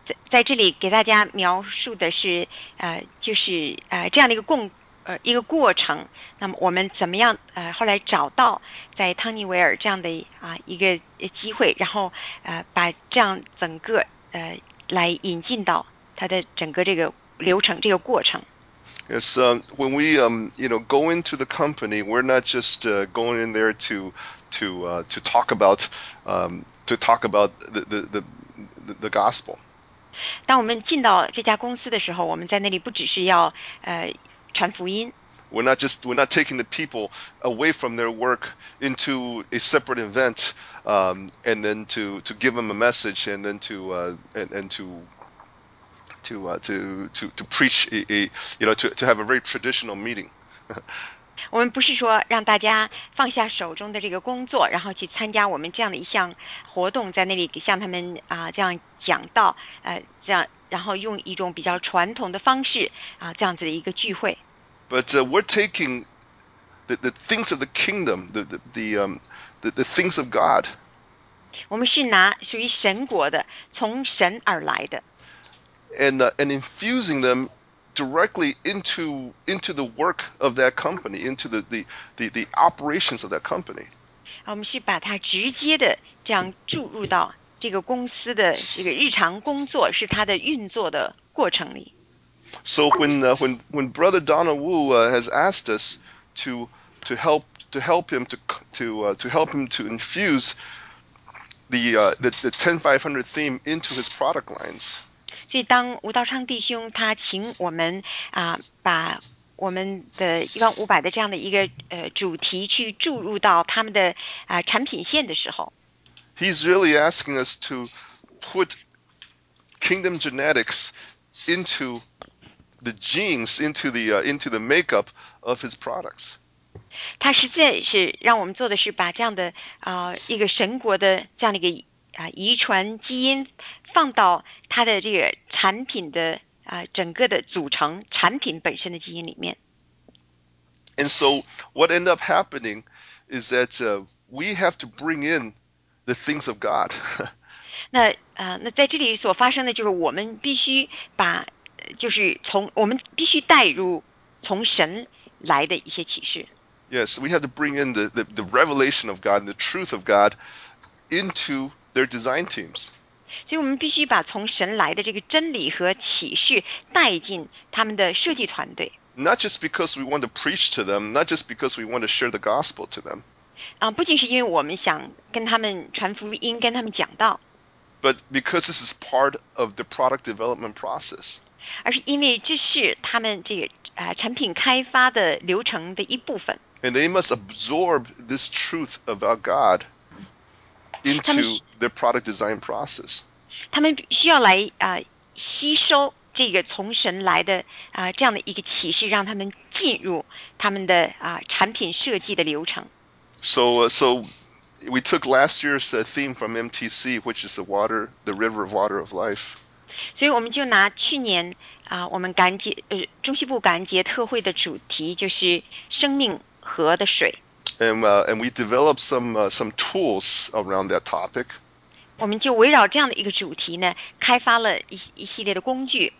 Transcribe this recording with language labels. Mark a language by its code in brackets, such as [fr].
[zh] 在这里给大家描述的是，就是这样的一个过程。那么我们怎么样后来找到在汤尼维尔这样的一个机会，然后把这样整个来引进到它的整个这个流程这个过程。 [en] Yes, when we go into the company, we're not just going in there to talk about the gospel. [zh] 当我们进到这家公司的时候，我们在那里不只是要传福音。 [en] We're not taking the people away from their work into a separate event, and then to give them a message, and then to preach to have a very traditional meeting. [zh] 我们不是说让大家放下手中的这个工作，然后去参加我们这样的一项活动，在那里向他们这样。讲到这样，然后用一种比较传统的方式这样子的一个聚会。 [en] But we're taking the things of the kingdom, the things of God. [zh] 我们是拿属于神国的，从神而来的。 [en] And infusing them directly into the work of that company, into the operations of that company. [zh] 我们是把它直接的这样注入到。这个公司的这个日常工作是它的运作的过程里。 [en] So when Brother Donald Wu has asked us to help him to infuse the 10500 theme into his product lines. [zh] 所以当吴道昌弟兄他请我们把我们的10500的这样的一个主题去注入到他们的产品线的时候。 [en] He's really asking us to put Kingdom Genetics into the genes, into the makeup of his products. [zh] 他实际是让我们做的是把这样的一个神国的这样的一个遗传基因放到他的这个产品的整个的组成产品本身的基因里面。 [en] And so what ended up happening is that we have to bring in. The things of God. [zh] 那在这里所发生的就是我们必须把，就是从我们必须带入从神来的一些启示。 [en] Yes, we have to bring in the revelation of God, and the truth of God, into their design teams. [zh] 所以我们必须把从神来的这个真理和启示带进他们的设计团队。 [en] Not just because we want to preach to them, not just because we want to share the gospel to them. [zh] 不仅是因为我们想跟他们传福音，跟他们讲道。 [en] But because this is part of the product development process. [zh] 而是因为这是他们这个产品开发的流程的一部分。 [en] And they must absorb this truth about God into their product design process. [zh] 他们需要来吸收这个从神来的这样的一个启示，让他们进入他们的产品设计的流程。 [en] So we took last year's theme from MTC, which is the river of water of life. [zh] 所以我们就拿去年我们感恩中西部感恩节特会的主题就是生命河的水。 [en] And we developed some tools around that topic. [zh] 我们就围绕这样的一个主题呢，开发了一系列的工具。